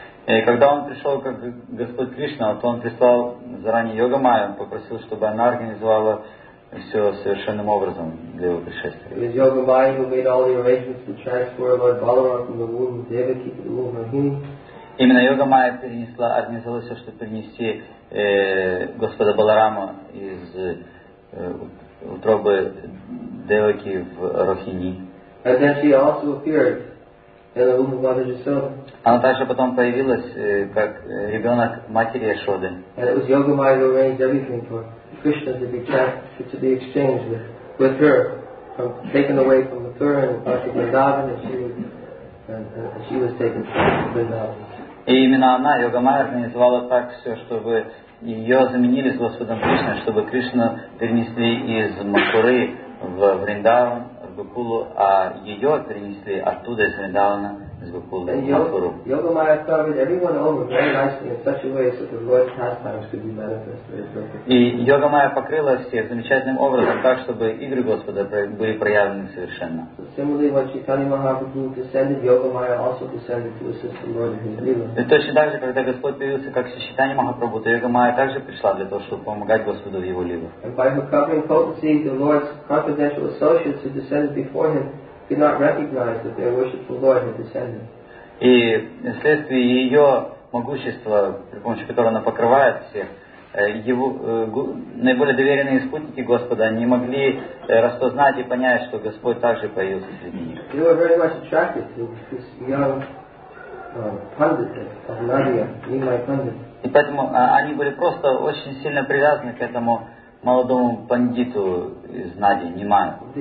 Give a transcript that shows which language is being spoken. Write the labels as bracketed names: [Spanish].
[Russian] И когда он пришел как Господь Кришна, то он прислал заранее Йога Майя, он попросил, чтобы она организовала все совершенным образом для его пришествия. [English] It is Yoga Maya who made all the arrangements to transfer Lord Balaram from the womb of Devaki to the womb of Rahini. [Russian] Именно Йога Майя перенесла, организовала все, чтобы перенести Господа Баларама из утробы Деваки в Рахини. [English] And then she also appeared in the womb of Mother Yashoda. [Russian] Она также потом появилась как ребенок матери Яшоды. [English] And it was Yoga Maya who arranged everything for Krishna to be exchanged with her, from taken away from the Thura and back to Vrindavan, and she was taken to Vrindavan. [Russian] И именно она, Йога Майя, организовала так все, чтобы ее заменили с Господом Кришной, чтобы Кришну перенесли из Матхуры в Вриндаван, в Гокулу, а ее принесли оттуда из Вриндавана, из Гокулы, в Мапуру. [English] Йога Майя started everyone over very nicely in such a way so the Lord's pastimes could be manifested. [Russian] И Йога Майя покрыла всех замечательным образом так, чтобы игры Господа были проявлены совершенно. [English] Similarly, when Chaitanya Mahaprabhu descended, Йога Майя also descended to assist the Lord in his [Russian] lila. И точно так же, когда Господь появился как Чайтанья Махапрабху, то Йога Майя также пришла для того, чтобы помогать Господу в его лила. [English] And by her covering potency, the Lord's confidential associates who descended before him could not recognize that their worshipful Lord had descended. [Russian] И вследствие ее могущества, при помощи которого она покрывает всех, его наиболее доверенные спутники Господа не могли распознать и понять, что Господь также появился среди них. [English] They were very much attracted to this young pundit of Nadia, Nimai Pandit. [Russian] И поэтому они были просто очень сильно привязаны к этому молодому пандиту из Нади, Нимаю.